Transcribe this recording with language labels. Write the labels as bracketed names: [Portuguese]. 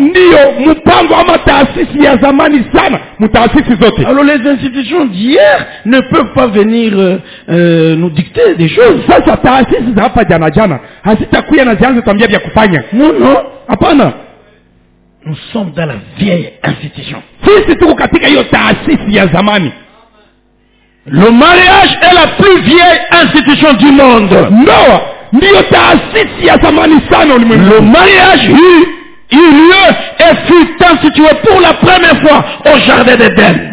[Swahili] Ndio mpango ama taasisi ya zamani sana, mtaasisi zote. [French] Alors les institutions d'hier ne peuvent pas venir nous dicter des choses. [Swahili] Sasa taasisi za hapa jana jana hazitakuwa na zianze kutambia vya kufanya. [French] Non, [Swahili] hapana. [French] Nous sommes dans la vieille institution. [Swahili] Sisi tuko katika hiyo taasisi ya zamani. [French] Le mariage est la plus vieille institution du monde. [Swahili] Ndoa ndio taasisi ya zamani sana ulimwenguni. [French] Le mariage eut lieu et fut institué pour la première fois au jardin d'Eden.